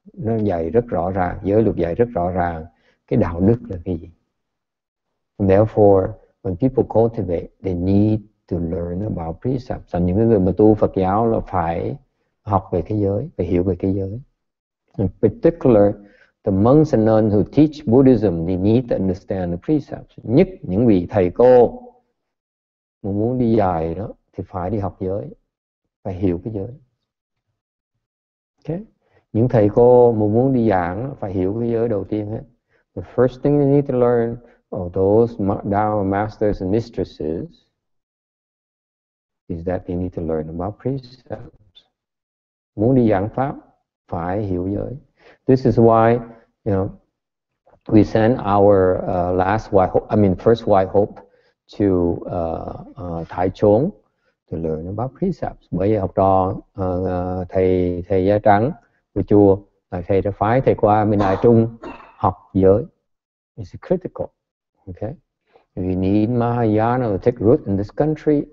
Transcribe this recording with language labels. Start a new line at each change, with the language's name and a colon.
Vietnamese: Nó dạy rất rõ ràng, giới luật dạy rất rõ ràng cái đạo đức là cái gì.
English: Therefore, when people cultivate, they need to learn about precepts.
Vietnamese: Và những người mà tu Phật giáo là phải học về cái giới, phải hiểu về cái giới.
English: In particular, the monks and nuns who teach Buddhism, they need to understand the precepts.
Vietnamese: Nhất những vị thầy cô mà muốn đi dài đó, thì phải đi học giới, phải hiểu cái giới. Okay? Những thầy cô mà muốn đi giảng phải hiểu cái giới đầu tiên hết.
English: The first thing you need to learn of those Dharma masters and mistresses is that you need to learn about precepts.
Vietnamese: Muốn đi giảng pháp phải hiểu giới.
English: This is why, you know, we send our first white hope to Thái Chuông to learn about precepts.
Vietnamese: Bởi vì học trò thầy da trắng của chùa là thầy đã phái thầy qua bên Đại Trung học giới.
English: It's critical. Okay. We need Mahayana to take root in this country.